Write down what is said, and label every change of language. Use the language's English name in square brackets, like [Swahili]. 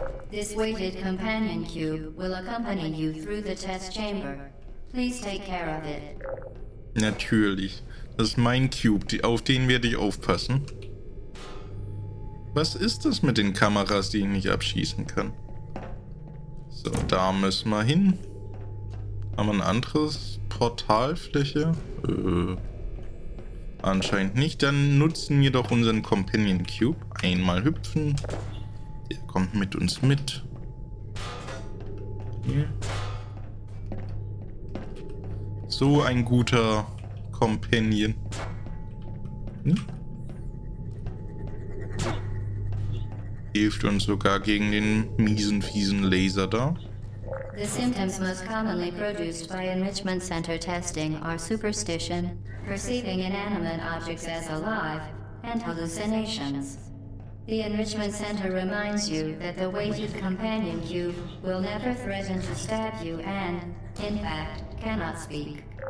[English] This weighted companion cube will accompany you through the test chamber. Please take care of it. [German] Natürlich. Das ist mein Cube, auf den werde ich aufpassen. Was ist das mit den Kameras, die ich nicht abschießen kann? So, da müssen wir hin. Haben wir ein anderes Portalfläche? Anscheinend nicht. Dann nutzen wir doch unseren Companion Cube. Einmal hüpfen. Der kommt mit uns mit. So ein guter Companion. Hilft uns sogar gegen den miesen, fiesen Laser da. [English] The symptoms most commonly produced by Enrichment Center testing are superstition, perceiving inanimate objects as alive, and hallucinations. The Enrichment Center reminds you that the weighted companion cube will never threaten to stab you and, in fact, cannot speak.